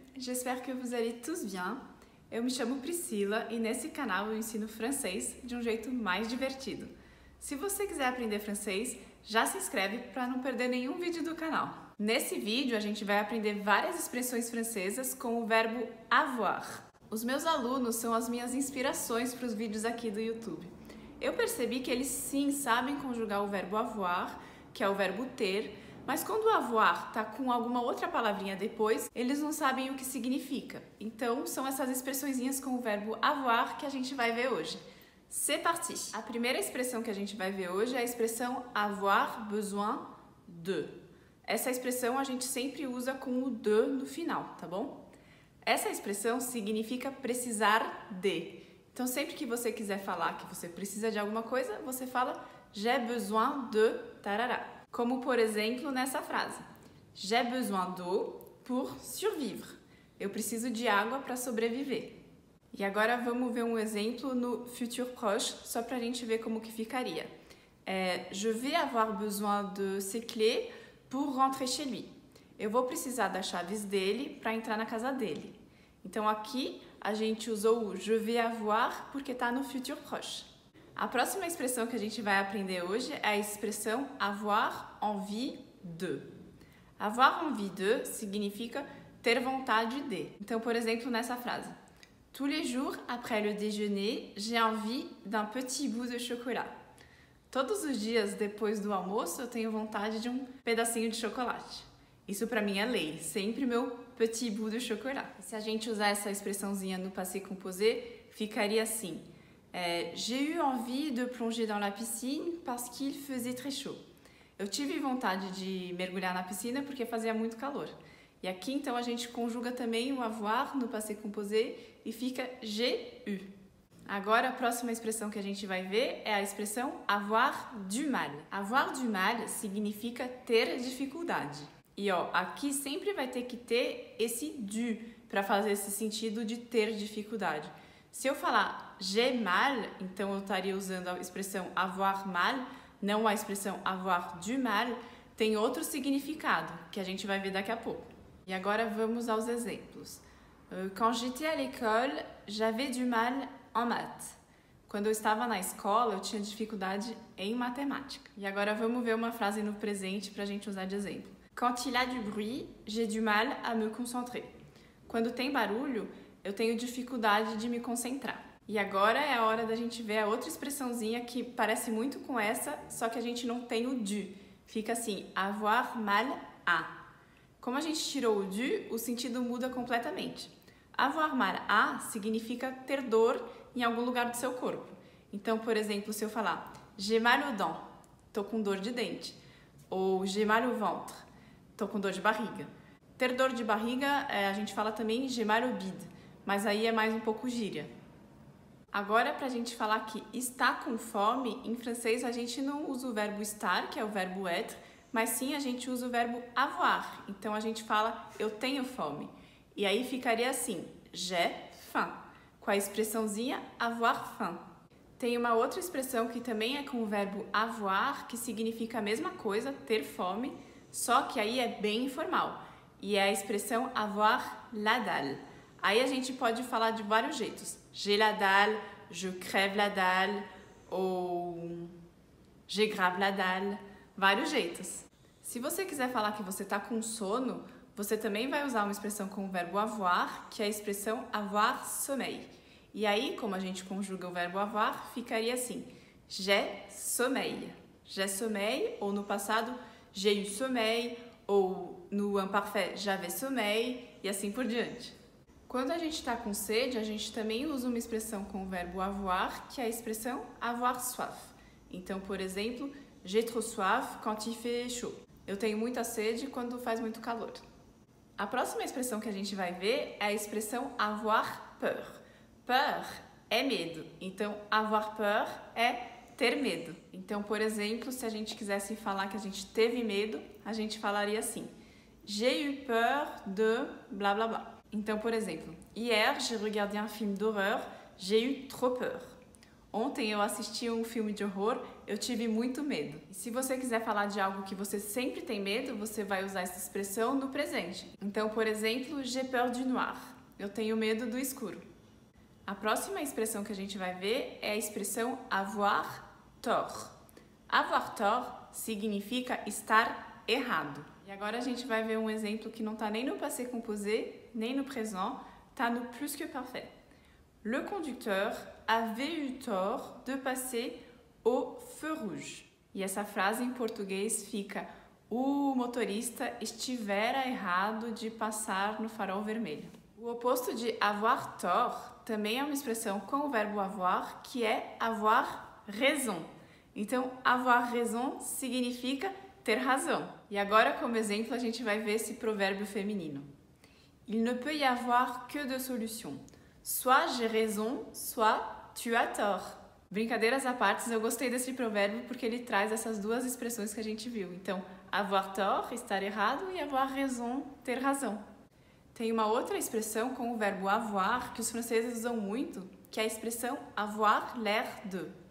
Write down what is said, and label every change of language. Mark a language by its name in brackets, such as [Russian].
[French] J'espère que vous allez tous bien. [Portuguese] Eu me chamo Priscila e nesse canal eu ensino francês de jeito mais divertido. Se você quiser aprender francês, já se inscreve para não perder nenhum vídeo do canal. Nesse vídeo a gente vai aprender várias expressões francesas com o verbo avoir. Os meus alunos são as minhas inspirações para os vídeos aqui do YouTube. Eu percebi que eles sim sabem conjugar o verbo avoir, que é o verbo ter, mas quando o avoir está com alguma outra palavrinha depois, eles não sabem o que significa. Então, são essas expressõezinhas com o verbo avoir que a gente vai ver hoje. [French] C'est parti! [Portuguese] A primeira expressão que a gente vai ver hoje é a expressão avoir besoin de. Essa expressão a gente sempre usa com o de no final, tá bom? Essa expressão significa precisar de. Então, sempre que você quiser falar que você precisa de alguma coisa, você fala [French] j'ai besoin de tarará. [Portuguese] Como, por exemplo, nessa frase. [French] J'ai besoin d'eau pour survivre. [Portuguese] Eu preciso de água para sobreviver. E agora vamos ver um exemplo no futur proche, só para a gente ver como que ficaria. [French] Je vais avoir besoin de ses clés pour rentrer chez lui. [Portuguese] Eu vou precisar das chaves dele para entrar na casa dele. Então, aqui, a gente usou o [French] je vais avoir [Portuguese] porque está no futur proche. A próxima expressão que a gente vai aprender hoje é a expressão avoir envie de. Avoir envie de significa ter vontade de. Então, por exemplo, nessa frase. [French] Tous les jours après le déjeuner, j'ai envie d'un petit bout de chocolat. [Portuguese] Todos os dias depois do almoço, eu tenho vontade de um pedacinho de chocolate. Isso para mim é lei, sempre meu [French] petit bout de chocolat. [Portuguese] Se a gente usar essa expressãozinha no passé composé, ficaria assim. [French] J'ai eu envie de plonger dans la piscine parce qu'il faisait très chaud. [Portuguese] Eu tive vontade de mergulhar na piscina porque fazia muito calor. E aqui então a gente conjuga também o avoir no passé composé e fica [French] j'ai eu. [Portuguese] Agora a próxima expressão que a gente vai ver é a expressão avoir du mal. Avoir du mal significa ter dificuldade. E ó, aqui sempre vai ter que ter esse du para fazer esse sentido de ter dificuldade. Se eu falar [French] j'ai mal, [Portuguese] então eu estaria usando a expressão avoir mal, não a expressão avoir du mal, tem outro significado, que a gente vai ver daqui a pouco. E agora vamos aos exemplos. [French] Quand j'étais à l'école, j'avais du mal en maths. [Portuguese] Quando eu estava na escola, eu tinha dificuldade em matemática. E agora vamos ver uma frase no presente para a gente usar de exemplo. [French] Quand il y a du bruit, j'ai du mal à me concentrer. [Portuguese] Quando tem barulho, eu tenho dificuldade de me concentrar. E agora é a hora da gente ver a outra expressãozinha que parece muito com essa, só que a gente não tem o du. Fica assim, avoir mal à. Como a gente tirou o du, o sentido muda completamente. Avoir mal à significa ter dor em algum lugar do seu corpo. Então, por exemplo, se eu falar [French] j'ai mal aux dents, [Portuguese] tô com dor de dente. Ou [French] j'ai mal au ventre, [Portuguese] tô com dor de barriga. Ter dor de barriga, a gente fala também [French] j'ai mal au bide, [Portuguese] mas aí é mais um pouco gíria. Agora, para a gente falar que está com fome, em francês a gente não usa o verbo estar, que é o verbo être, mas sim a gente usa o verbo avoir. Então a gente fala eu tenho fome. E aí ficaria assim, [French] j'ai faim, [Portuguese] com a expressãozinha avoir faim. Tem uma outra expressão que também é com o verbo avoir, que significa a mesma coisa, ter fome, só que aí é bem informal. E é a expressão avoir la dalle. Aí a gente pode falar de vários jeitos. [French] J'ai la dalle, je crève la dalle, ou j'ai grave la dalle. [Portuguese] Vários jeitos. Se você quiser falar que você está com sono, você também vai usar uma expressão com o verbo avoir, que é a expressão avoir sommeil. E aí, como a gente conjuga o verbo avoir, ficaria assim. [French] J'ai sommeil. J'ai sommeil, [Portuguese] ou no passado, [French] j'ai eu sommeil, [Portuguese] ou no imparfait, [French] j'avais sommeil, [Portuguese] e assim por diante. Quando a gente está com sede, a gente também usa uma expressão com o verbo avoir, que é a expressão avoir soif. Então, por exemplo, [French] j'ai trop soif quand il fait chaud. [Portuguese] Eu tenho muita sede quando faz muito calor. A próxima expressão que a gente vai ver é a expressão avoir peur. Peur é medo, então avoir peur é ter medo. Então, por exemplo, se a gente quisesse falar que a gente teve medo, a gente falaria assim. [French] J'ai eu peur de blá blá blá. [Portuguese] Então, por exemplo, [French] hier j'ai regardé un film d'horreur, j'ai eu trop peur. [Portuguese] Ontem eu assisti um filme de horror, eu tive muito medo. E se você quiser falar de algo que você sempre tem medo, você vai usar essa expressão no presente. Então, por exemplo, [French] j'ai peur du noir. [Portuguese] Eu tenho medo do escuro. A próxima expressão que a gente vai ver é a expressão avoir tort. Avoir tort significa estar errado. E agora a gente vai ver um exemplo que não está nem no passé composé, nem no présent, está no plus que parfait. [French] Le conducteur avait eu tort de passer au feu rouge. [Portuguese] E essa frase em português fica: o motorista estivera errado de passar no farol vermelho. O oposto de avoir tort também é uma expressão com o verbo avoir, que é avoir raison. Então, avoir raison significa ter razão. E agora, como exemplo, a gente vai ver esse provérbio feminino. [French] Il ne peut y avoir que deux solutions. Soit j'ai raison, soit tu as tort. [Portuguese] Brincadeiras à parte, eu gostei desse provérbio porque ele traz essas duas expressões que a gente viu. Então, avoir tort, estar errado, e avoir raison, ter razão. Tem uma outra expressão com o verbo avoir que os franceses usam muito, que é a expressão avoir l'air de.